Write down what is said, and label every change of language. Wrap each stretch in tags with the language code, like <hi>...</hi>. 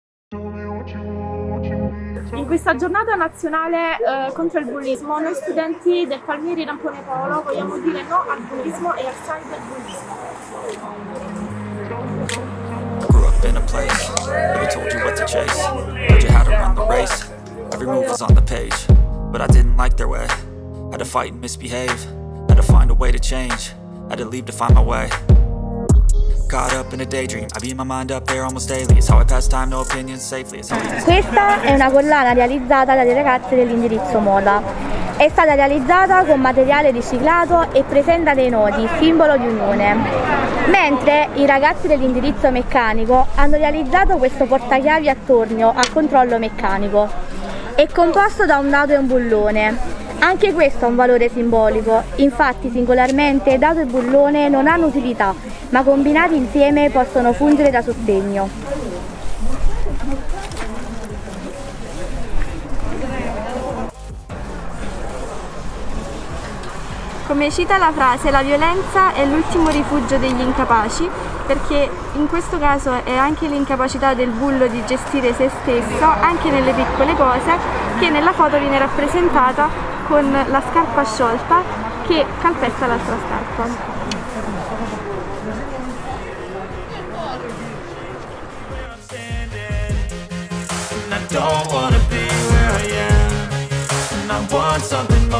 <it>In questa giornata nazionale contro il bullismo, noi studenti del Palmieri Rampone Polo vogliamo dire no al bullismo e al cyberbullismo.</it> <en>Grew up in a place, never told you what to chase, told you how to run the race, every move was on the page, but I didn't like their way, had to fight and misbehave, had to find a way to change, had to leave to find my way. Caught up in a daydream, I beat my mind up there almost daily. It's how I pass time, no opinions safely.</en> <it>Questa è una collana realizzata dalle ragazze dell'indirizzo moda. È stata realizzata con materiale riciclato e presenta dei nodi, simbolo di unione. Mentre i ragazzi dell'indirizzo meccanico hanno realizzato questo portachiavi attorno a controllo meccanico. È composto da un dado e un bullone. Anche questo ha un valore simbolico, infatti singolarmente dado e bullone non hanno utilità, ma combinati insieme possono fungere da sostegno. Come cita la frase, la violenza è l'ultimo rifugio degli incapaci, perché in questo caso è anche l'incapacità del bullo di gestire se stesso, anche nelle piccole cose, che nella foto viene rappresentata con la scarpa sciolta che calpesta l'altra scarpa.</it> <en>I don't wanna be where I am, and I want something.</en>